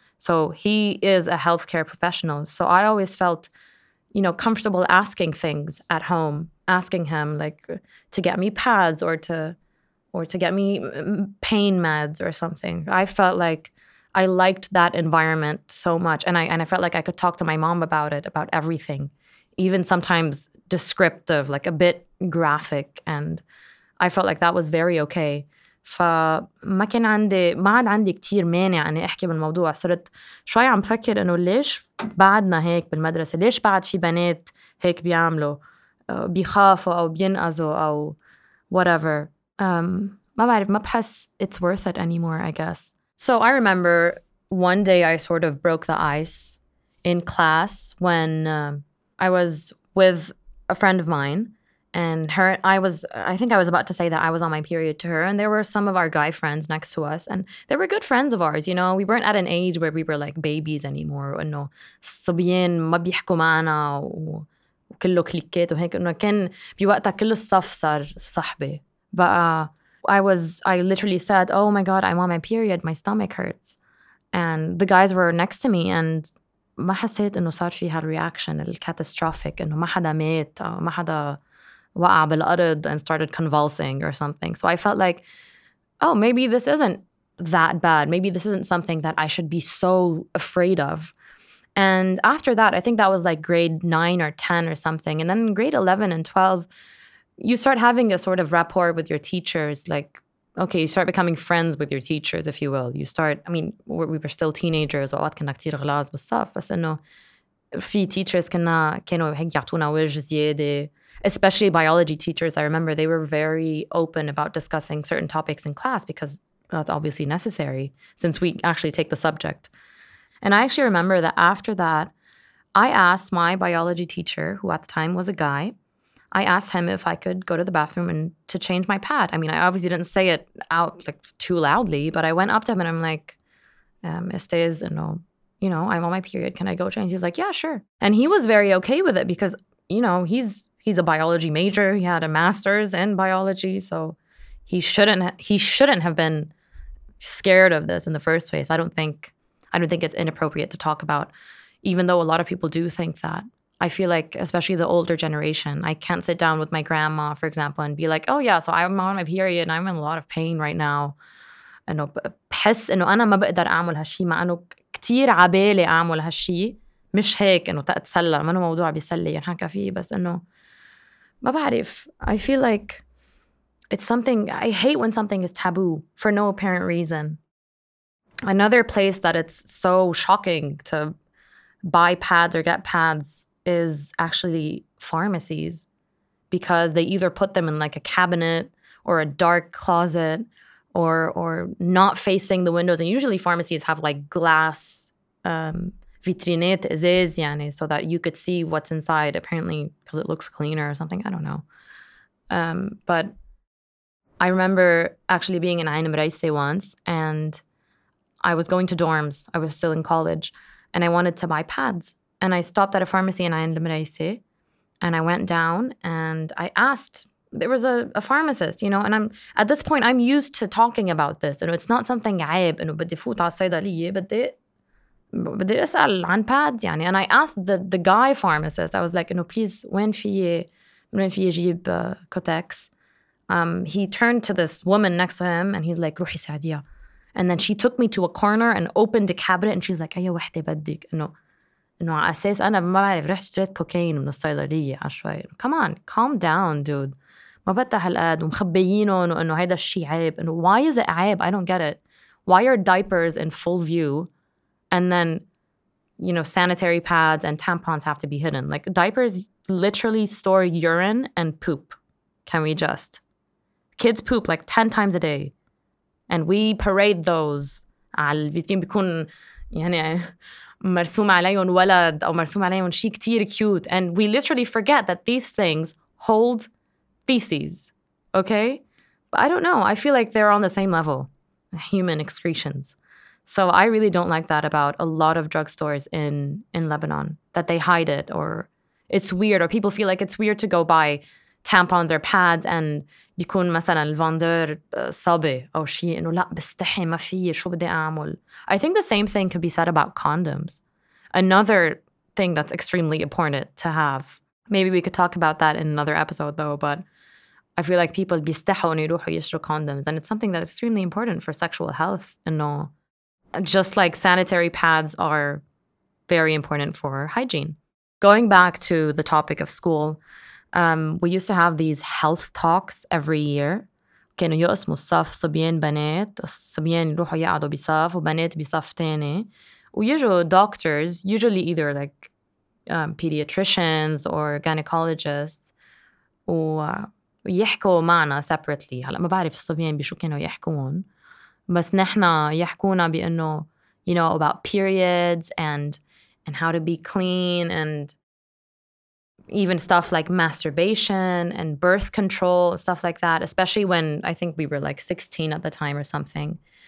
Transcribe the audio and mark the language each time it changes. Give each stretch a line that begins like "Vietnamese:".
English: So he is a healthcare professional. So I always felt, you know, comfortable asking things at home, asking him like to get me pads or to get me pain meds or something. I felt like I liked that environment so much. And I felt like I could talk to my mom about it, about everything, even sometimes descriptive, like a bit graphic. And I felt like that was very okay.
Arabic: فما كان عندي ما عاد عندي كتير مانع أني أحكي بالموضوع. صرت شوي عم فكر أنه ليش بعدنا هيك بالمدرسة, ليش بعد في بنات هيك بيعملوا بيخافوا أو بينقذوا أو whatever. ما بعرف, ما بحس
English: it's worth it anymore, I guess. So I remember one day I sort of broke the ice in class when I was with a friend of mine. And her, I was on my period to her. And there were some of our guy friends next to us. And they were good friends of ours, you know. We weren't at an age where we were like babies anymore. And no,
Arabic: صبيين ما بيحكوا معنا وكله كليكيت وهيك. And كان بوقتها كل الصف صار صحبي.
English: But I literally said, oh my God, I'm on my period. My stomach hurts. And the guys were next to me and
Arabic: ما حسيت انه صار في هالرياكشن الكاتاستروفيك انه ما حدا ميت أو ما حدا وقع بالأرض
English: and started convulsing or something. So I felt like, oh, maybe this isn't that bad. Maybe this isn't something that I should be so afraid of. And after that, I think that was like grade 9 or 10 or something. And then grade 11 and 12, you start having a sort of rapport with your teachers. Like, okay, you start becoming friends with your teachers, if you will. We were still teenagers.
Arabic: وقت كنا كتير غلاز بالصف. بس إنه في teachers كانوا هيك يعطونا وجه زيادة.
English: Especially biology teachers, I remember they were very open about discussing certain topics in class because that's obviously necessary since we actually take the subject. And I actually remember that after that, I asked my biology teacher, who at the time was a guy, I asked him if I could go to the bathroom and to change my pad. I mean, I obviously didn't say it out like too loudly, but I went up to him and I'm like, Estes, I'm on my period. Can I go change? He's like, yeah, sure. And he was very okay with it because, you know, he's a biology major. He had a master's in biology, so he shouldn't have been scared of this in the first place. I don't think it's inappropriate to talk about, even though a lot of people do think that. I feel like, especially the older generation, I can't sit down with my grandma, for example, and be like, oh yeah, so I'm on my period and I'm in a lot of pain right now. I know,
Arabic: بحس إنه أنا ما بقدر أعمل هالشي مع إنه كتير عبالي أعمل هالشي مش هيك إنه تتسلى ما إنه موضوع بيسلي ينحكى فيه بس إنه ما بعرف.
English: I feel like it's something, I hate when something is taboo for no apparent reason. Another place that it's so shocking to buy pads or get pads is actually pharmacies, because they either put them in like a cabinet or a dark closet or not facing the windows. And usually pharmacies have like glass vitrinet
Arabic: ازاز يعني
English: so that you could see what's inside, apparently because it looks cleaner or something, I don't know. But I remember actually being in عين مريسة once, and I was going to dorms, I was still in college, and I wanted to buy pads. And I stopped at a pharmacy in Ayan Lemreise. And I went down and I asked, there was a pharmacist, you know, and I'm at this point, I'm used to talking about this. And it's not something
Arabic: عيب, إنه بدي فوت على الصيدلية, بدي أسأل عن pads, يعني.
English: And I asked the guy pharmacist, I was like, إنه please,
Arabic: وين في يجيب
English: Kotex? He turned to this woman next to him and he's like,
Arabic: روحي ساعديها.
English: And then she took me to a corner and opened a cabinet and she's like,
Arabic: أي واحدة بدك, إنه على أساس أنا ما بعرف رحت اشتريت كوكايين من الصيدلية عشوائي.
English: Come on, calm down, dude.
Arabic: ما بدها هالقد ومخبيينهم وإنه هيدا الشيء عيب.
English: إنه why is it عيب? I don't get it. Why are diapers in full view and then, you know, sanitary pads and tampons have to be hidden? Like, diapers literally store urine and poop. Can we just? Kids poop like 10 times a day. And we parade those.
Arabic: على الفيترين بيكون يعني مرسوم عليهم ولد أو مرسوم عليهم شيء كتير cute.
English: And we literally forget that these things hold feces. Okay? But I don't know. I feel like they're on the same level. Human excretions. So I really don't like that about a lot of drugstores in Lebanon. That they hide it or it's weird. Or people feel like it's weird to go buy tampons or pads and
Arabic: بيكون مثلا الفندر صبي أو شيء إنه لا بستحي ما فيه شو بدي أعمل.
English: I think the same thing could be said about condoms. Another thing that's extremely important to have. Maybe we could talk about that in another episode though, but I feel like people
Arabic: بيستحوا إنه يروحوا يشتروا
English: condoms and it's something that's extremely important for sexual health. إنه just like sanitary pads are very important for hygiene. Going back to the topic of school, we used to have these health talks every year.
Arabic: كانوا يقسموا الصف صبيان بنات الصبيان يروحوا يقعدوا بصف وبنات بصف تاني ويجوا doctors
English: usually either like pediatricians or gynecologists
Arabic: ويحكوا معنا separately. هلا ما بعرف الصبيان بشو كانوا يحكون بس نحنا يحكونا بأنه
English: you know about periods and how to be clean and even stuff like masturbation and birth control, stuff like that, especially when I think we were like 16 at the time or something.